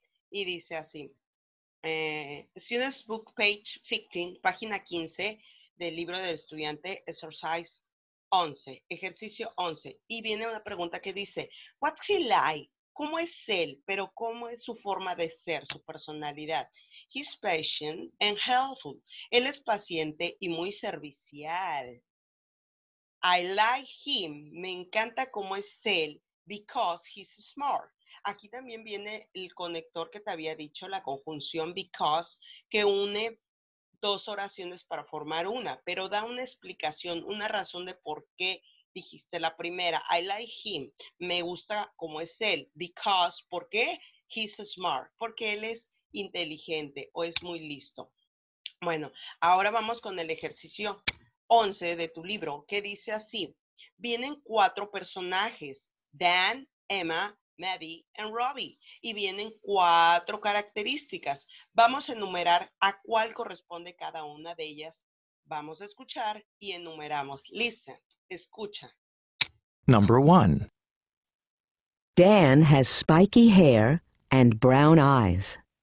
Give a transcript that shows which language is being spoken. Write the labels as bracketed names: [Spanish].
[Spanish] Y dice así, [English] Students Book Page 15, [Spanish] página 15, del libro del estudiante, [English] exercise 11, [Spanish] ejercicio 11. Y viene una pregunta que dice, [English] what's he like? [Spanish] ¿Cómo es él? Pero ¿cómo es su forma de ser, su personalidad? [English] He's patient and helpful. [Spanish] Él es paciente y muy servicial. [English] I like him. [Spanish] Me encanta cómo es él [English] because he's smart. [Spanish] Aquí también viene el conector que te había dicho, la conjunción because, que une dos oraciones para formar una, pero da una explicación, una razón de por qué dijiste la primera. [English] I like him. [Spanish] Me gusta cómo es él. Because, ¿por qué? [English] He's smart. [Spanish] Porque él es inteligente o es muy listo. Bueno, ahora vamos con el ejercicio 11 de tu libro, que dice así. Vienen cuatro personajes, Dan, Emma, Maddie y Robbie. Y vienen cuatro características. Vamos a enumerar a cuál corresponde cada una de ellas. Vamos a escuchar y enumeramos. [English] Listen, [Spanish] escucha. [English] Number one. Dan has spiky hair and brown eyes.